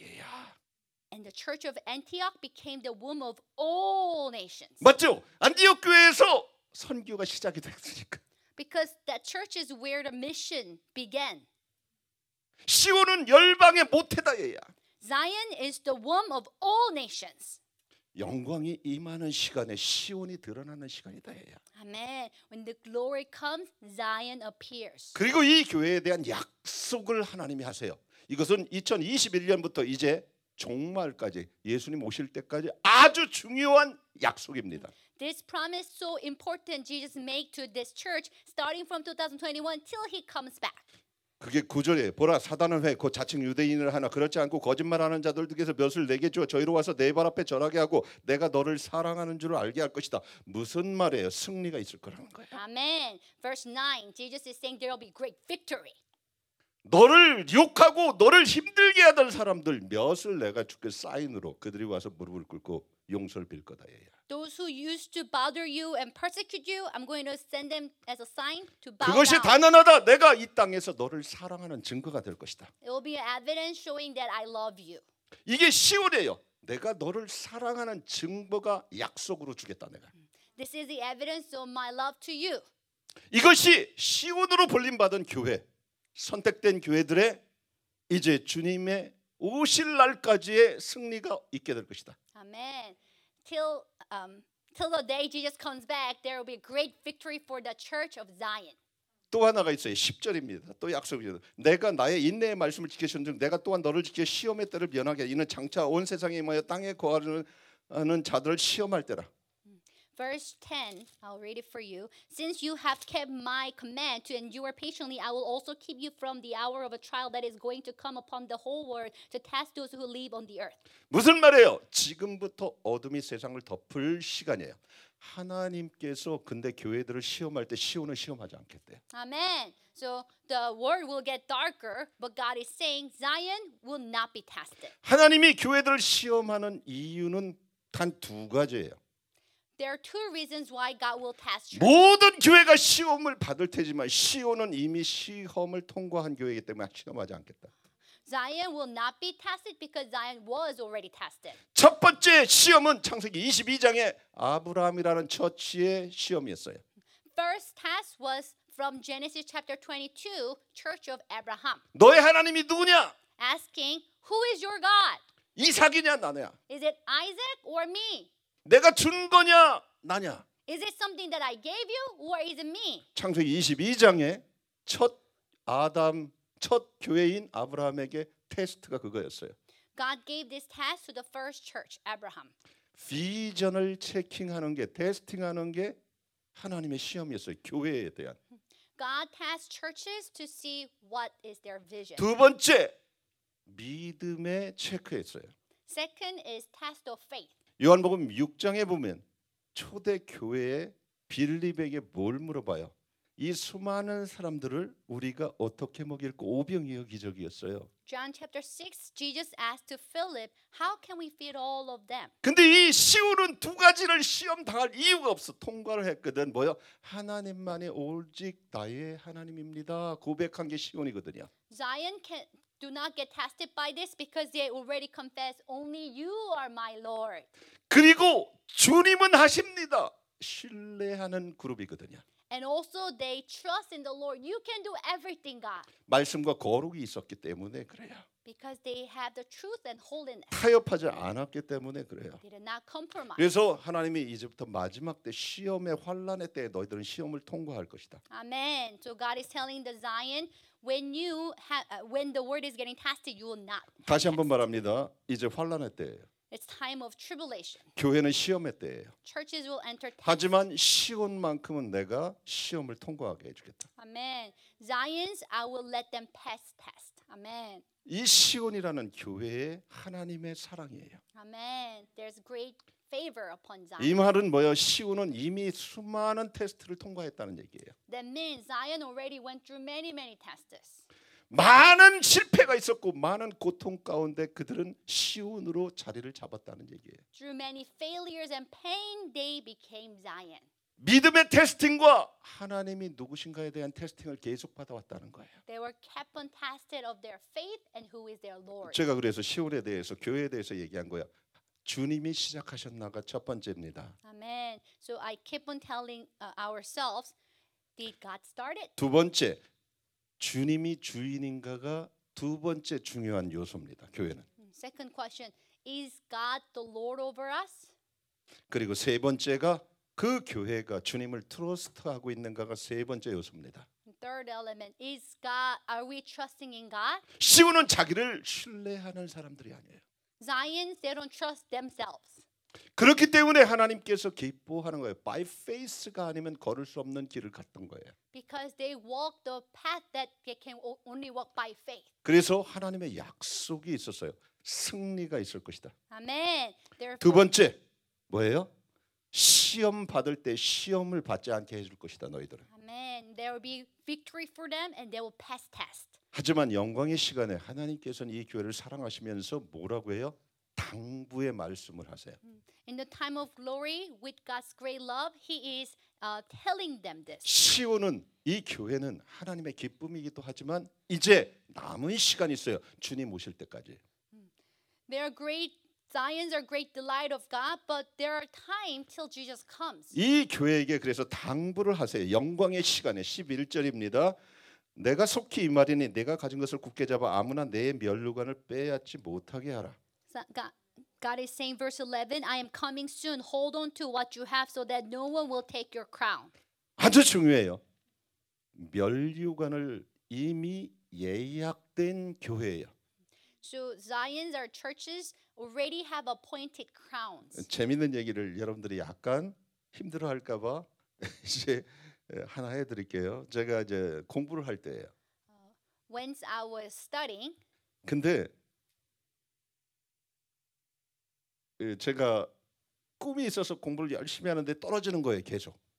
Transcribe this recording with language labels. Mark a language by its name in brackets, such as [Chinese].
[Korean] 얘야. [English] And the church of Antioch became the womb of all nations. [Korean] 맞죠? 안디옥 교회에서 선교가 시작이 됐으니까. [English] Because that church is where the mission began. [Korean] 시온은 열방의 모태다. 얘야. [English] Zion is the womb of all nations. [Korean] 영광이 임하는 시간에 시온이 드러나는 시간이다. 얘야. [English] Amen. When the glory comes, Zion appears. [Korean] 그리고 이 교회에 대한 약속을 하나님이 하세요. 이것은 2021년부터 이제 종말까지 예수님 오실 때까지 아주 중요한 약속입니다. [English] This promise so important Jesus made to this church starting from 2021 till he comes back. [Korean] 그게 9절이에요. 보라 사단은 회 곧 자칭 유대인을 하나 그렇지 않고 거짓말하는 자들에게서 몇을 내게 주어 저희로 와서 내 발 앞에 절하게 하고 내가 너를 사랑하는 줄 알게 할 것이다. 무슨 말이에요? 승리가 있을 거라는 거예요. [English] Amen. Verse 9. Jesus is saying there will be great victory. [Korean] 너를 욕하고 너를 힘들게 하던 사람들 몇을 내가 주께 사인으로 그들이 와서 무릎을 꿇고 용서를 빌 거다. 얘야. [English] Those who used to bother you and persecute you, I'm going to send them as a sign to bow [Korean] 그것이 [English] down. [Korean] 그것이 단언하다. 내가 이 땅에서 너를 사랑하는 증거가 될 것이다. [English] It will be an evidence showing that I love you. [Korean] 이게 시온이에요. 내가 너를 사랑하는 증거가 약속으로 주겠다. 내가. [English] This is the evidence of my love to you. [Korean] 이것이 시온으로 불림 받은 교회, 선택된 교회들의 이제 주님의 오실 날까지의 승리가 있게 될 것이다. [English] Amen. Till the day Jesus comes back, there will be a great victory for the church of Zion. [Korean] 또 하나가 있어요. 10절입니다. 또 약속이죠. 내가 나의 인내의 말씀을 지키셨는즉 내가 또한 너를 지켜 시험의 때를 면하게 이는 장차 온 세상에 임하여 땅에 거하는 자들을 시험할 때라. [English] Verse 10, I'll read it for you. Since you have kept my command to endure patiently, I will also keep you from the hour of a trial that is going to come upon the whole world to test those who live on the earth. [Korean] 무슨 말이에요? 지금부터 어둠이 세상을 덮을 시간이에요. 하나님께서 근데 교회들을 시험할 때 시온을 시험하지 않겠대요. [English] Amen. So the world will get darker, but God is saying Zion will not be tested. [Korean] 하나님이 교회들을 시험하는 이유는 단 두 가지예요. [English] There are two reasons why God will test church. [Korean] 모든 교회가 시험을 받을 테지만 시온은 이미 시험을 통과한 교회이기 때문에 시험하지 않겠다. [English] Zion will not be tested because Zion was already tested. [Korean] 첫 번째 시험은 창세기 22장의 아브라함이라는 처치의 시험이었어요. [English] First test was from Genesis chapter 22, Church of Abraham. [Korean] 너의 하나님이 누구냐? [English] Asking, who is your God? [Korean] 이삭이냐 나냐? [English] Is it Isaac or me? [Korean] 내가 준 거냐 나냐? [English] Is it something that I gave you or is it me? [Korean] 창세기 22장의 첫 아담 첫 교회인 아브라함에게 테스트가 그거였어요. [English] God gave this test to the first church, Abraham. [Korean] 비전을 체킹하는 게 테스팅하는 게 하나님의 시험이었어요. 교회에 대한. [English] God tests churches to see what is their vision. [Korean] 두 번째 믿음에 체크했어요. [English] Second is test of faith. [Korean] 요한복음 6장에 보면 초대 교회의 빌립에게 뭘 물어봐요? 이 수많은 사람들을 우리가 어떻게 먹일까? 오병이어 기적이었어요. [English] John chapter 6, Jesus asked to Philip, how can we feed all of them? [Korean] 근데 이 시온은 두 가지를 시험 당할 이유가 없어. 통과를 했거든. 뭐요? 하나님만이 오직 나의 하나님입니다. 고백한 게 시온이거든요. [English] Zion do not get tested by this because they already confess only you are my Lord. [Korean] 그리고 주님은 하십니다. 신뢰하는 그룹이거든요. [English] And also they trust in the Lord. You can do everything, God. [Korean] 말씀과 거룩이 있었기 때문에 그래요. [English] Because they have the truth and holiness. [Korean] 타협하지 않았기 때문에 그래요. [English] They did not compromise. [Korean] 그래서 하나님이 이제부터 마지막 때 시험의 환난의 때에 너희들은 시험을 통과할 것이다. [English] Amen. So God is telling the Zion, when you when the word is getting tested, you will not. [Korean] 다시 한번 말합니다. 이제 환난의 때예요. [English] It's time of tribulation. [Korean] 교회는 시험의 때예요. [English] Churches will enter test. [Korean] 하지만 시온만큼은 내가 시험을 통과하게 해주겠다. [English] Amen. Zion's, I will let them pass test. Amen. [Korean] 이 시온이라는 교회의 하나님의 사랑이에요. [English] Amen. There's great favor upon Zion. [Korean] 이 말은 뭐요? 시온은 이미 수많은 테스트를 통과했다는 얘기예요. [English] That means Zion already went through many, many tests. [Korean] 많은 실패가 있었고 많은 고통 가운데 그들은 시온으로 자리를 잡았다는 얘기예요. [English] Through many failures and pain, they became Zion. [Korean] 믿음의 테스팅과 하나님이 누구신가에 대한 테스팅을 계속 받아왔다는 거예요. [English] They were kept on tested of their faith and who is their Lord. [Korean] 제가 그래서 시온에 대해서 교회에 대해서 얘기한 거야. 주님이 시작하셨나가 첫 번째입니다. [English] Amen. So I keep on telling ourselves, did God start it? [Korean] 두 번째. 주님이 주인인가가 두 번째 중요한 요소입니다. 교회는. [English] Second question, is God the Lord over us? [Korean] 그리고 세 번째가 그 교회가 주님을 트러스트하고 있는가가 세 번째 요소입니다. [English] Third element, is God, are we trusting in God? [Korean] 시온은 자기를 신뢰하는 사람들이 아니에요. [English] Zion's, they don't trust themselves. [Korean] 그렇기 때문에 하나님께서 기뻐하는 거예요. [English] By faith [Korean] 가 아니면 걸을 수 없는 길을 갔던 거예요. [English] Because they walked the path that they can only walk by faith. [Korean] 그래서 하나님의 약속이 있었어요. 승리가 있을 것이다. [English] Amen. [Korean] 두 번째 뭐예요? 시험 받을 때 시험을 받지 않게 해줄 것이다 너희들은. [English] Amen. There will be victory for them and they will pass test. [Korean] 하지만 영광의 시간에 하나님께서는 이 교회를 사랑하시면서 뭐라고 해요? 당부의 말씀을 하세요. [English] In the time of glory, with God's great love, He is telling them this. [Korean] 시온은 이 교회는 하나님의 기쁨이기도 하지만 이제 남은 시간 있어요. 주님 오실 때까지. [English] They are great. Zion's are great delight of God, but there are time till Jesus comes. [Korean] 이 교회에게 그래서 당부를 하세요. 영광의 시간에 11절입니다. 내가 속히 이 말이니 내가 가진 것을 굳게 잡아 아무나 내 면류관을 빼앗지 못하게 하라. [English] God is saying, verse 11, I am coming soon. Hold on to what you have so that no one will take your crown. [Korean] 아주 중요해요. 면류관을 이미 예약된 교회예요. [English] So Zion's, our churches, already have appointed crowns. [Korean] 재밌는 얘기를 여러분들이 약간 힘들어할까 봐 이제 하나 해드릴게요. 제가 이제 공부를 할 때예요. [English] When I was studying. [Korean] 근데 제가 꿈이 있어서 공부를 열심히 하는데 떨어지는 거예요, 계속.